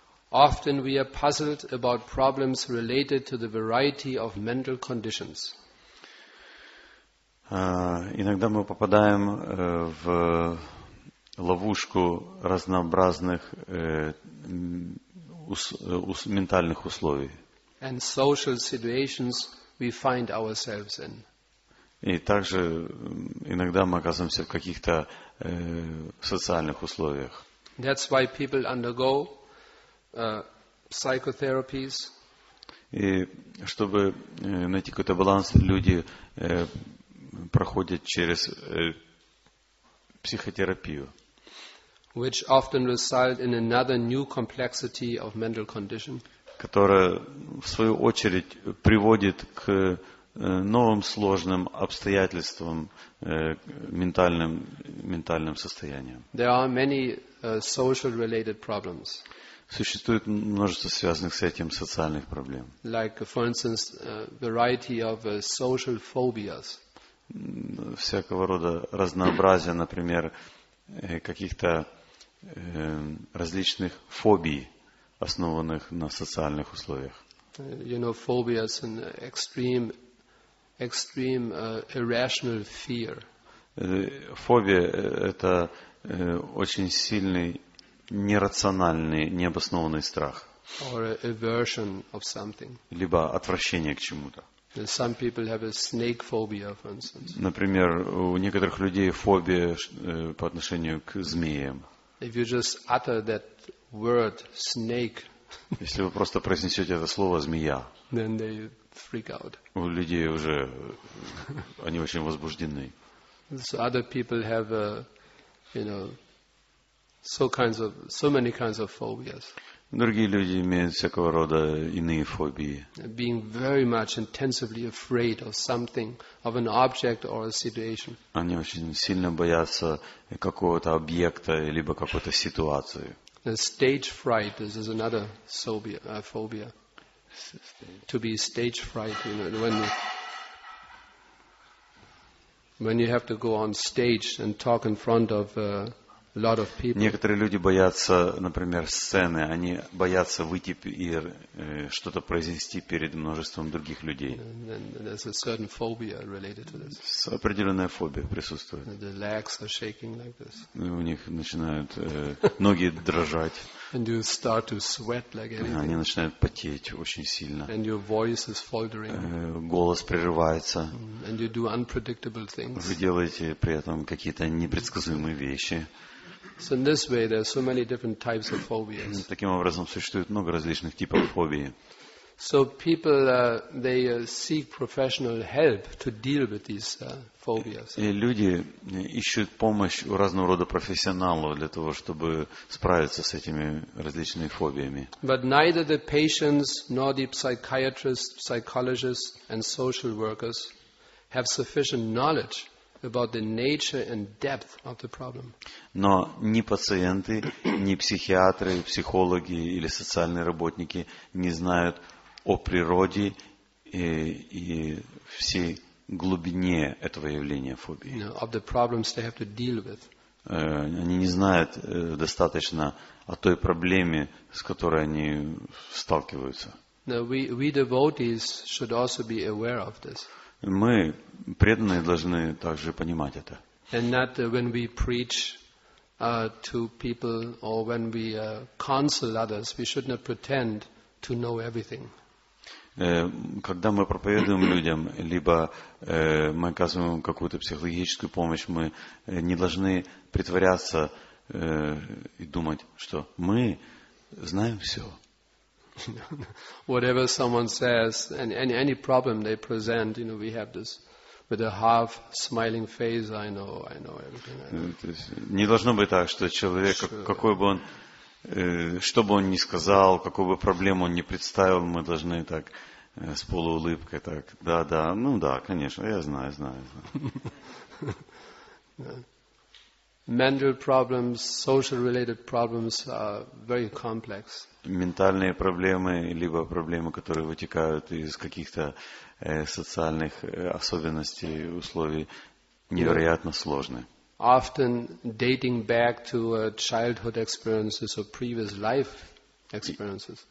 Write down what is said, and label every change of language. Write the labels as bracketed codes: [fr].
[en] Often we are puzzled about problems related to the variety of mental conditions. [ru] Иногда мы попадаем в ловушку разнообразных ментальных условий. [en] And social situations we find ourselves in. [ru] И также иногда мы оказываемся в каких-то социальных условиях. [en] That's why people undergo psychotherapies. [ru] И чтобы найти какой-то баланс, люди проходят через психотерапию, [en] which often result in another new complexity of mental condition, [ru] которая в свою очередь приводит к новым сложным обстоятельствам, ментальным состояниям. [en] There are many social related problems. [ru] Существует множество связанных с этим социальных проблем. [en] Like for instance variety of social phobias. [ru] Всякого рода разнообразие, например, каких-то различных фобий, основанных на социальных условиях. [en] You know, phobia is an extreme irrational fear. [ru] Фобия – это очень сильный, нерациональный, необоснованный страх. [en] Or aversion of something. [ru] Либо отвращение к чему-то. [en] Some people have a snake phobia, for instance. [ru] Например, у некоторых людей фобия по отношению к змеям. [en] If you just utter that word snake, [ru] если вы просто произнесете это слово змея, [en] then they freak out. [ru] У людей уже они очень возбуждены. [en] So other people have so many kinds of phobias. [ru] Другие люди имеют всякого рода иные фобии. [en] Being very much intensively afraid of something, of an object or a situation. [ru] Они очень сильно боятся какого-то объекта либо какой-то ситуации. [en] The stage fright is another phobia. To be stage fright, you know, when you have to go on stage and talk in front of lot of people. [ru] Некоторые люди боятся, например, сцены. Они боятся выйти и что-то произнести перед множеством других людей. [en] There's a certain phobia related to this. [ru] Определенная фобия присутствует. [en] The legs are shaking like this. [ru] У них начинают ноги дрожать. [en] And you start to sweat like anything. [ru] Они начинают потеть очень сильно. [en] And your voice is faltering. [ru] Голос прерывается. [en] And you do unpredictable things. [ru] Вы делаете при этом какие-то непредсказуемые вещи. [en] So in this way there are so many different types of phobias. [ru] Таким образом существует много различных типов фобии. [en] So people they seek professional help to deal with these phobias. [ru] И люди ищут помощь у разного рода профессионалов для того, чтобы справиться с этими различными фобиями. [en] But neither the patients nor the psychiatrists, psychologists and social workers have sufficient knowledge about the nature and depth of the problem. [ru] Но ни пациенты, ни психиатры, психологи или социальные работники не знают о природе и всей глубине этого явления фобии. [en] No, of the problems they have to deal with. [ru] Они не знают достаточно о той проблеме, с которой они сталкиваются. [en] No, we devotees should also be aware of this. [ru] Мы, преданные, должны также понимать это. [en] And not when we preach to people or when we counsel others, we should not pretend to know everything. [ru] Когда мы проповедуем людям, либо мы оказываем какую-то психологическую помощь, мы не должны притворяться и думать, что мы знаем все. [en] Whatever someone says, and any problem they present, you know, we have this with a half smiling face. I know everything. [ru] Не должно быть так, что человек, какой бы он, что бы он ни сказал, какую бы проблему он ни представил, мы должны так с полуулыбкой так, да, да, ну да, конечно, я знаю, знаю. [en] Mental problems, social related problems are very complex. [ru] Ментальные проблемы либо проблемы, которые вытекают из каких-то социальных особенностей условий, невероятно сложны. [en] Often dating back to childhood experiences or previous life experiences.